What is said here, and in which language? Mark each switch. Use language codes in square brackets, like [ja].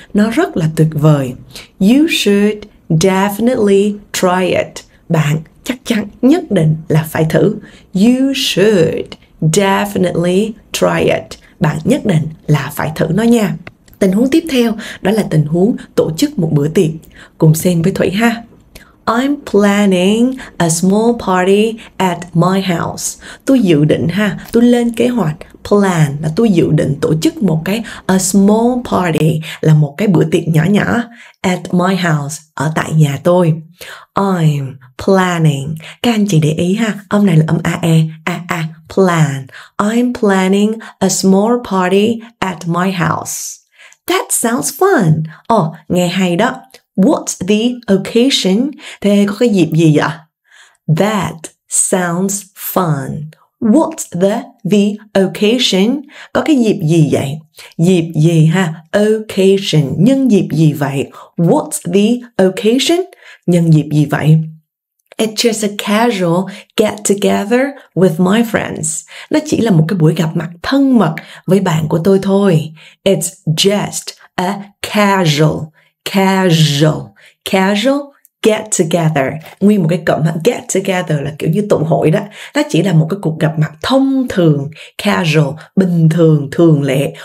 [vi] Nó rất là tuyệt vời. [en] You should definitely try it. [vi] Bạn chắc chắn, nhất định là phải thử. [en] You should definitely try it. [vi] Bạn nhất định là phải thử nó nha. Tình huống tiếp theo đó là tình huống tổ chức một bữa tiệc. Cùng xem với Thủy ha. [en] I'm planning a small party at my house. [vi] Tôi dự định ha, tôi lên kế hoạch. Plan là tôi dự định tổ chức một cái [en] a small party [vi] là một cái bữa tiệc nhỏ nhỏ. [en] At my house, [vi] ở tại nhà tôi. [en] I'm planning. [vi] Các anh chị để ý ha, âm này là âm A-E, A-A, plan. [en] I'm planning a small party at my house. That sounds fun. Oh, [vi] nghe hay đó. [en] What's the occasion? [vi] Thế có cái dịp gì vậy? [en] That sounds fun. What's the occasion? [vi] Có cái dịp gì vậy? Dịp gì ha? Occasion. Nhân dịp gì vậy? [en] What's the occasion? [vi] Nhân dịp gì vậy? [en] It's just a casual get together with my friends. [vi] Nó chỉ là một cái buổi gặp mặt thân mật với bạn của tôi thôi. [en] It's just a casual. Casual. Casual get together. [vi] Nguyên một cái cụm get together là kiểu như tụ hội đó. Nó chỉ là một cái cuộc gặp mặt thông thường. Casual, bình thường, thường lệ.